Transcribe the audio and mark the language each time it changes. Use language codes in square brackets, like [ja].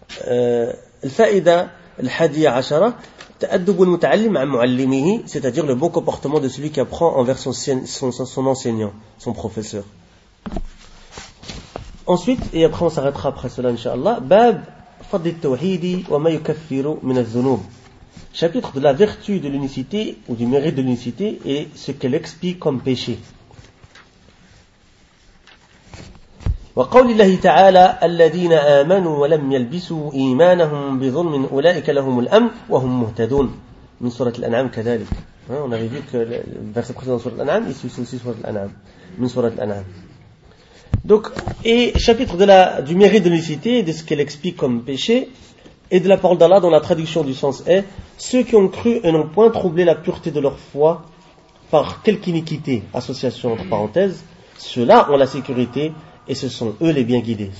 [ar] Al-fa'ida, al-hadiya ashara. [fr] C'est-à-dire le bon comportement de celui qui apprend envers son enseignant, son professeur. Ensuite, et après on s'arrêtera après cela, Inch'Allah, [ar] Bab Fadl Tawhidi wa ma yukaffiru min al-zunub. [fr] Chapitre de la vertu de l'unicité ou du mérite de l'unicité et ce qu'elle expie comme péché. [ar] وقول الله تعالى الذين آمنوا ولم يلبسوا إيمانهم بظلم أولئك لهم الأمن وهم مهتدون من سورة الأنعام كذلك. [fr] On avait vu que le verset précédent de سورة الأنعام ici c'est aussi سورة الأنعام. [ar] من سورة الأنعام. [fr] Donc et chapitre de la du mérite de l'unicité de ce qu'elle explique comme péché et de la parole d'Allah dont la traduction du sens est ceux qui ont cru et n'ont point troublé la pureté de leur foi par quelque iniquité association entre parenthèses ceux-là ont la sécurité et ce sont eux les bien guidés.